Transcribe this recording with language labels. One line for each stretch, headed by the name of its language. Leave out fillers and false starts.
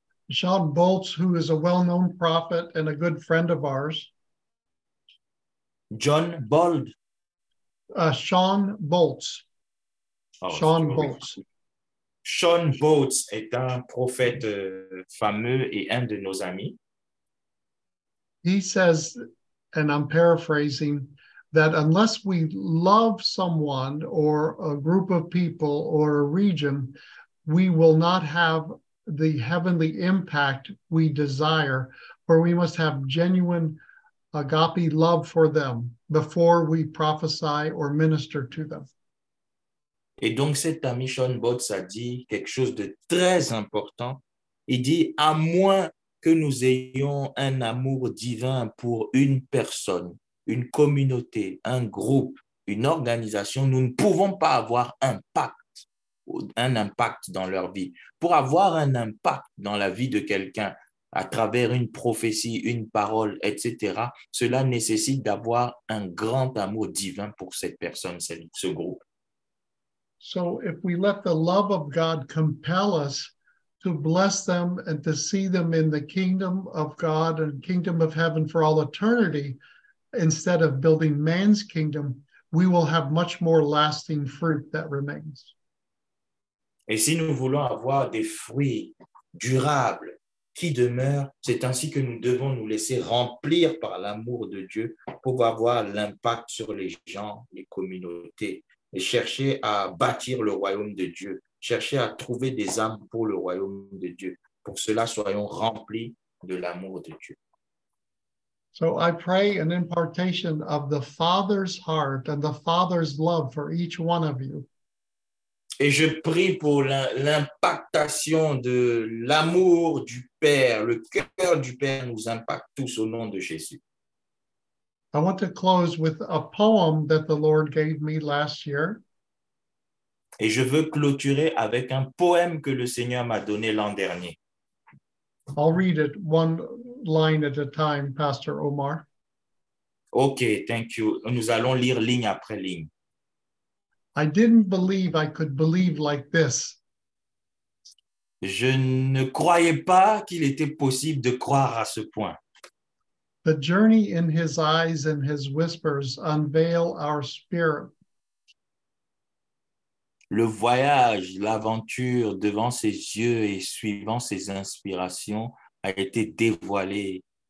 English: Sean Bolts, who is a well-known prophet and a good friend of ours. John Bold. Sean Bolts. Oh, Sean Bolts.
French: Sean Bolts est un prophète fameux et un de nos amis.
English: He says, and I'm paraphrasing, that unless we love someone or a group of people or a region, we will not have the heavenly impact we desire, for we must have genuine agape love for them before we prophesy or minister to them.
French: Et donc cet ami Sean Bolts a dit quelque chose de très important. Il dit, à moins que nous ayons un amour divin pour une personne, une communauté, un groupe, une organisation, nous ne pouvons pas avoir un impact dans leur vie. Pour avoir un impact dans la vie de quelqu'un à travers une prophétie, une parole, etc., cela nécessite d'avoir un grand amour divin pour cette personne, ce groupe.
English: So if we let the love of God compel us to bless them and to see them in the kingdom of God and kingdom of heaven for all eternity, instead of building man's kingdom, we will have much more lasting fruit that remains.
French: Et si nous voulons avoir des fruits durables qui demeurent, c'est ainsi que nous devons nous laisser remplir par l'amour de Dieu pour avoir l'impact sur les gens, les communautés, et chercher à bâtir le royaume de Dieu, chercher à trouver des âmes pour le royaume de Dieu. Pour cela, soyons remplis de l'amour de Dieu.
English: So I pray an impartation of the Father's heart and the Father's love for each one of you.
French: Et je prie pour l'impactation de l'amour du Père, le cœur du Père nous impacte tous au nom de Jésus.
English: I want to close with a poem that the Lord gave me last year.
French: Et je veux clôturer avec un poème que le Seigneur m'a donné l'an dernier.
English: I'll read it one line at a time, Pastor Omar. OK, thank you.
French: Nous allons lire ligne après ligne.
English: I didn't believe I could believe like this.
French: Je ne croyais pas qu'il était possible de croire à ce point.
English: The journey in his eyes and his whispers unveil our spirit.
French: Le voyage, l'aventure devant ses yeux et suivant ses inspirations a été dévoilé.